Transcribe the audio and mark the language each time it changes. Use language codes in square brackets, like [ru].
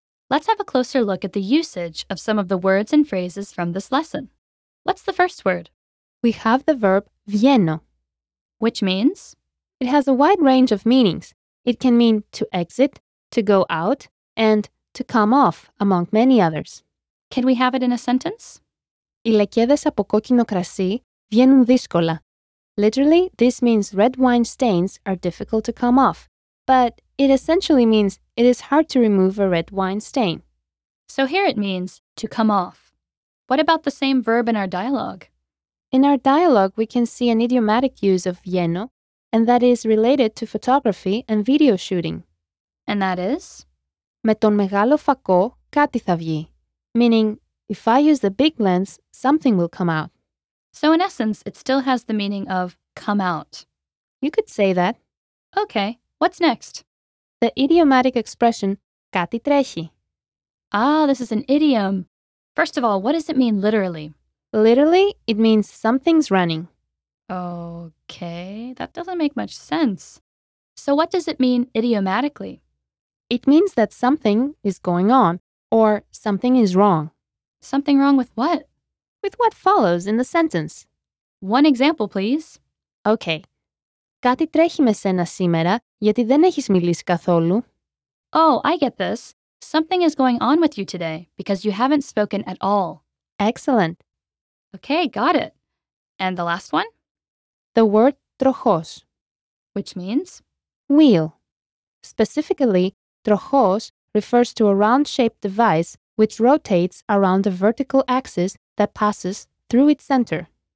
[en] Let's have a closer look at the usage of some of the words and phrases from this lesson. What's the first word? We have the verb vieno, which means? It has a wide range of meanings. It can mean to exit, to go out, and to come off, among many others. Can we have it in a sentence? [el] Οι λεκέδες από κόκκινο κρασί βγαίνουν δύσκολα. [en] Literally, this means red wine stains are difficult to come off, but it essentially means it is hard to remove a red wine stain. So here it means to come off. What about the same verb in our dialogue? In our dialogue, we can see an idiomatic use of vieno, and that is related to photography and video shooting. And that is? [el] Με τον μεγάλο φακό κάτι θα βγει. [en] Meaning, if I use the big lens, something will come out. So in essence, it still has the meaning of come out. You could say that. Okay, what's next? The idiomatic expression, [el] κάτι τρέχει. [en] Ah, this is an idiom. First of all, what does it mean literally? Literally, it means something's running. Okay, that doesn't make much sense. So what does it mean idiomatically? It means that something is going on, or something is wrong. Something wrong with what? With what follows in the sentence. One example, please. Okay. [el] Κάτι τρέχει με σένα σήμερα, γιατί δεν έχεις μιλήσει καθόλου. [en] Oh, I get this. Something is going on with you today, because you haven't spoken at all. Excellent. Okay, got it. And the last one? The word τροχός. Which means? Wheel. Specifically, τροχός refers to a round-shaped device which rotates around a vertical axis that passes through its center.